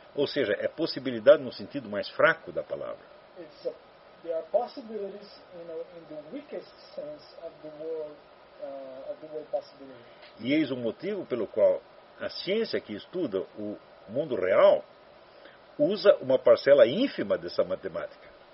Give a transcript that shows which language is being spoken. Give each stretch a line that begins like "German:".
Portuguese: Ou seja, é possibilidade no sentido mais fraco da palavra.
English: There are possibilities in the weakest sense of the world of the word possibility.
Portuguese: E eis o motivo pelo qual a ciência que estuda o mundo real usa uma parcela ínfima dessa matemática.